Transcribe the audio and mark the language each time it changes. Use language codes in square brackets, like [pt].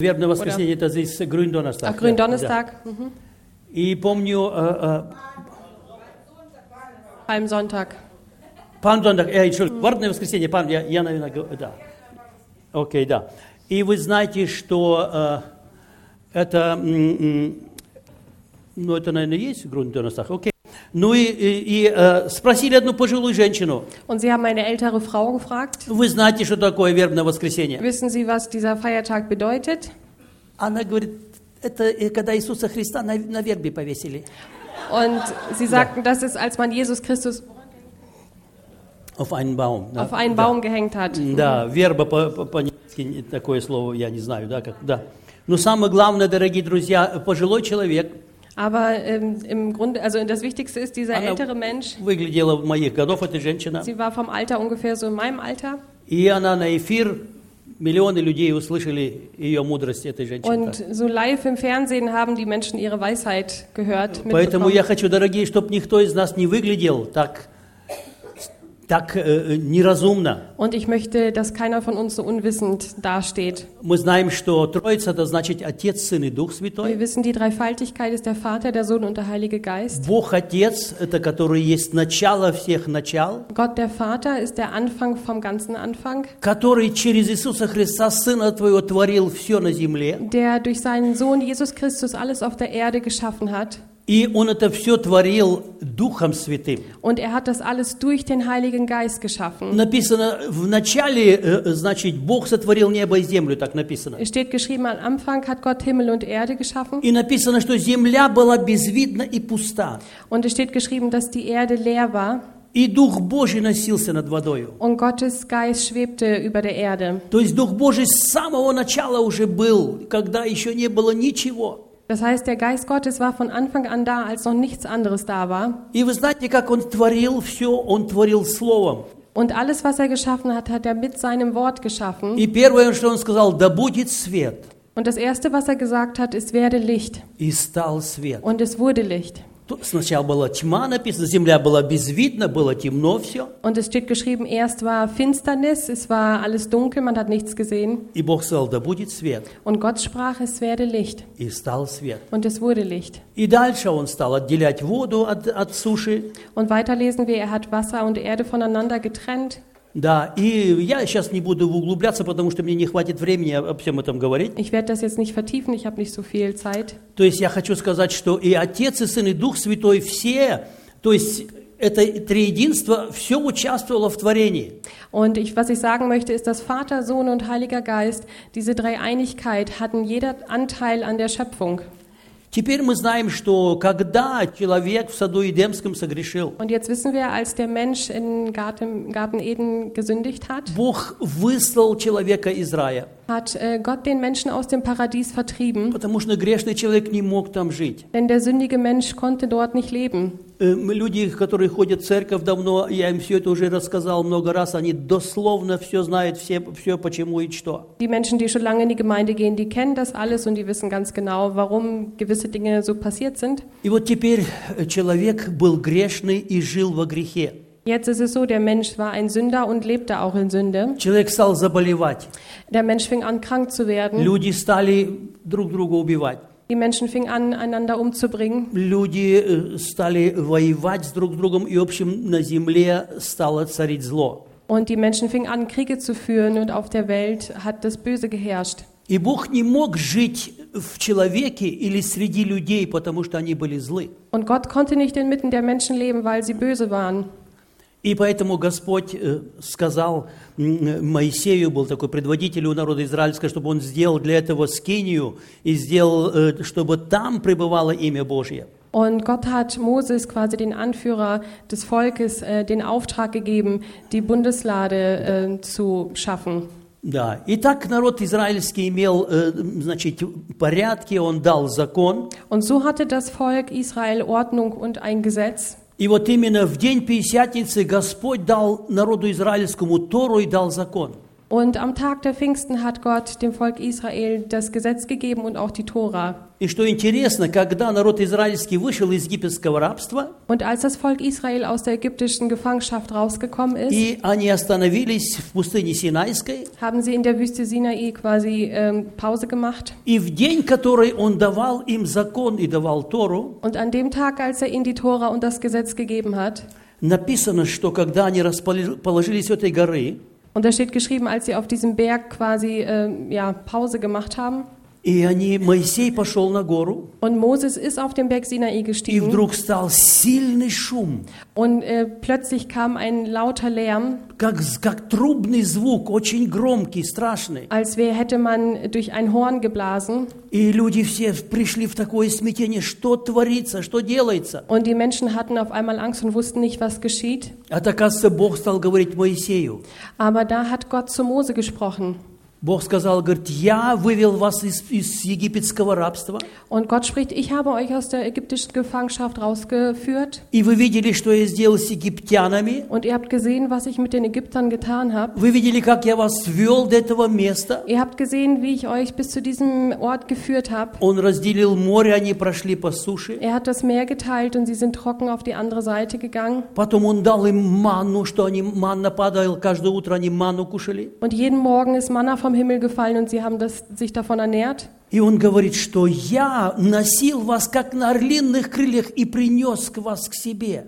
[de] Wir haben noch was gesehen, das ist Gründonnerstag. Ach, Gründonnerstag. Ja. Mhm. Ich [ru] помню... [de] Palmsonntag. Palmsonntag, Entschuldigung. [ru] Вардное воскресенье, Palm, я, наверное, да. Okay, да. И вы знаете, что это... Ну, это, наверное, есть Gründonnerstag, okay. Ну и спросили одну пожилую женщину. [de] Und sie haben eine ältere Frau gefragt. [ru] Вы знаете, что такое вербное воскресенье? [de] Wissen Sie, was dieser Feiertag bedeutet? [ru] Она говорит, это когда Иисуса Христа на вербе повесили. [de] Und sie sagten, das ist, als man Jesus Christus auf einen Baum, [ru] да, [de] auf einen Baum gehängt hat. [ru] Да, верба по-немецки такое слово я не знаю, да, как, да. Но самое главное, дорогие друзья, пожилой человек. [de] Aber im Grunde, also das Wichtigste ist, dieser ältere Mensch, [ru] выглядела в моих годов, эта женщина, [de] sie war vom Alter ungefähr so in meinem Alter. [ru] И она на эфир, миллионы людей услышали ее мудрость, этой женщины. [de] Und so live im Fernsehen haben die Menschen ihre Weisheit gehört. [ru] Поэтому я хочу, дорогие, чтобы никто из нас не выглядел так неразумно. [de] Und ich möchte, dass keiner von uns so unwissend dasteht. [ru] Мы знаем, что Троица, это значит Отец, Сын и Дух Святой. [de] Wir wissen, die Dreifaltigkeit ist der Vater, der Sohn und der Heilige Geist. [ru] Бог Отец, это который есть начало всех начал. [de] Gott der Vater ist der Anfang vom ganzen Anfang. [ru] Который через Иисуса Христа, Сына Твоего, творил все на земле. [de] Der durch seinen Sohn Jesus Christus alles auf der Erde geschaffen hat. [ru] И он это все творил Духом Святым. [de] Und er hat das alles durch den Heiligen Geist geschaffen. [ru] Написано в начале, значит, Бог сотворил небо и землю, так написано. [de] Es steht geschrieben, am Anfang hat Gott Himmel und Erde geschaffen. [ru] И написано, что земля была безвидна и пуста. [de] Und es steht geschrieben, dass die Erde leer war. [ru] И Дух Божий носился над водою. [de] Und Gottes Geist schwebte über der Erde. [ru] То есть Дух Божий с самого начала уже был, когда еще не было ничего. [de] Das heißt, der Geist Gottes war von Anfang an da, als noch nichts anderes da war. [ru] И вы знаете, как он творил все, он творил словом. [de] Und alles, was er geschaffen hat, hat er mit seinem Wort geschaffen. [ru] И первое, что он сказал, да будет свет. [de] Und das Erste, was er gesagt hat, ist, werde Licht. [ru] И стал свет. [de] Und es wurde Licht. [ru] Сначала была тьма написана, земля была безвидна, было темно все. [de] Und es steht geschrieben, erst war Finsternis, es war alles dunkel, man hat nichts gesehen. [ru] И Бог сказал, да будет свет. [de] Und Gott sprach, es werde Licht. [ru] И стал свет. [de] Und es wurde Licht. [ru] И дальше он стал отделять воду от суши. [de] Und weiter lesen wir, er hat Wasser und Erde voneinander getrennt. [ru] Да, и я сейчас не буду углубляться, потому что мне не хватит времени об всем этом говорить. [de] Ich werde das jetzt nicht vertiefen, ich habe nicht so viel Zeit. [ru] То есть я хочу сказать, что и Отец, и Сын, и Дух Святой все, то есть это триединство, все участвовало в творении. [de] Und ich, was ich sagen möchte, ist, dass Vater, Sohn und Heiliger Geist, diese Dreieinigkeit hatten jeder Anteil an der Schöpfung. [ru] Теперь мы знаем, что когда человек в саду Эдемском согрешил, [de] und jetzt wissen wir, als der Mensch in Garten Eden gesündigt hat, [ru] Бог выслал человека из рая. [de] Hat Gott den Menschen aus dem Paradies vertrieben. [ru] Потому что грешный человек не мог там жить. [de] Denn der sündige Mensch konnte dort nicht leben. [ru] Люди, которые ходят в церковь давно, я им все это уже рассказал много раз, они дословно все знают, все почему и что. [de] Die Menschen, die schon lange in die Gemeinde gehen, die kennen das alles und die wissen ganz genau, warum gewisse Dinge so passiert sind. [ru] И вот теперь человек был грешный и жил во грехе. [de] Jetzt ist es so, der Mensch war ein Sünder und lebte auch in Sünde. [ru] Человек стал заболевать. [de] Der Mensch fing an, krank zu werden. [ru] Люди стали друг друга убивать. [de] Die Menschen fingen an, einander umzubringen. [ru] Люди стали воевать с друг другом, и в общем на земле стало царить зло. [de] Und die Menschen fingen an, Kriege zu führen, und auf der Welt hat das Böse geherrscht. [ru] И Бог не мог жить в человеке или среди людей, потому что они были злы. [de] Und Gott konnte nicht inmitten der Menschen leben, weil sie böse waren. [ru] И поэтому Господь сказал Моисею, был такой предводитель у народа израильского, чтобы он сделал для этого скинию и сделал, чтобы там пребывало имя Божье. [de] Und Gott hat Moses, quasi den Anführer des Volkes, den Auftrag gegeben, die Bundeslade zu schaffen. [ru] Да, и так народ израильский имел, значит, порядки, он дал закон. [de] Und so hatte das Volk Israel Ordnung und ein Gesetz. [ru] И вот именно в день Пятидесятницы Господь дал народу израильскому Тору и дал закон. [de] Und am Tag der Pfingsten hat Gott dem Volk Israel das Gesetz gegeben und auch die Tora. [ru] И что интересно, когда народ израильский вышел из египетского рабства, [de] und als das Volk Israel aus der ägyptischen Gefangenschaft rausgekommen ist, [ru] и они остановились в пустыне Синайской, [de] haben sie in der Wüste Sinai quasi Pause gemacht, [ru] и в день, который он давал им закон и давал Тору, [de] und an dem Tag, als er ihnen die Tora und das Gesetz gegeben hat, [ru] написано, что когда они расположились у этой горы, [de] und da steht geschrieben, als sie auf diesem Berg quasi Pause gemacht haben. [ru] И они, Моисей пошел на гору. [de] Und Moses ist auf den Berg Sinai gestiegen. [ru] И вдруг стал сильный шум. [de] Und plötzlich kam ein lauter Lärm. [ru] Как трубный звук, очень громкий, страшный. [de] Als wäre hätte man durch ein Horn geblasen. [ru] И люди все пришли в такое смятение, что творится, что делается. [de] Und die Menschen hatten auf einmal Angst und wussten nicht, was geschieht. [ru] Это, кажется, Бог стал говорить Моисею. [de] Aber da hat Gott zu Mose gesprochen. [ru] Бог сказал, говорит, я вывел вас из египетского рабства. [de] Und Gott spricht, ich habe euch aus der ägyptischen Gefangenschaft rausgeführt. [ru] И вы видели, что я сделал с египтянами. [de] Und ihr habt gesehen, was ich mit den Ägyptern getan habe. [ru] Вы видели, как я вас вёл до этого места. [de] Ihr habt gesehen, wie ich euch bis zu diesem Ort geführt habe. [ru] Он разделил море, они прошли по суше. [de] Er hat das Meer geteilt und sie sind trocken auf die andere Seite gegangen. [ru] Потом он дал им манну, что они манна падала каждое утро, они манну кушали. [de] Und jeden Morgen ist Manna vom Himmel gefallen und sie haben das, sich davon ernährt. [ru] И он говорит, что я носил вас как на орлиных крыльях и принёс вас к себе.